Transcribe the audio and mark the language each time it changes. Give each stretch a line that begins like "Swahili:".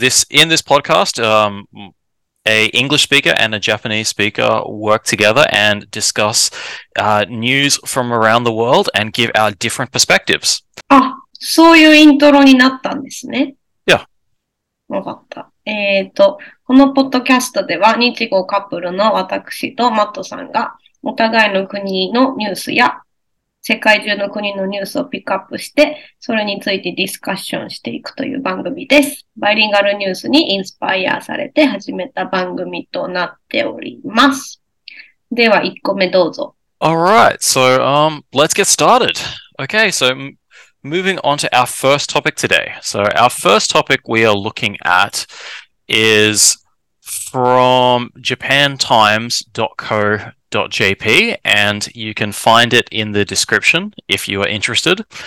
English: In this podcast, a English speaker and a Japanese speaker work together and discuss news from around the world and give our different perspectives.
Japanese: そういうイントロになったんですね。わかった。このポッドキャストでは、日語カップルの私とマットさんが、お互いの国のニュースや、世界中の国のニュースをピックアップして、それについてディスカッションしていくという番組です。バイリンガルニュースにインスパイアされて始めた番組となっております。では、1個目どうぞ。
English: Alright, so let's get started. Okay, so moving on to our first topic today. So our first topic we are looking at is from japantimes.co.jp, and you can find it in the description if you are interested.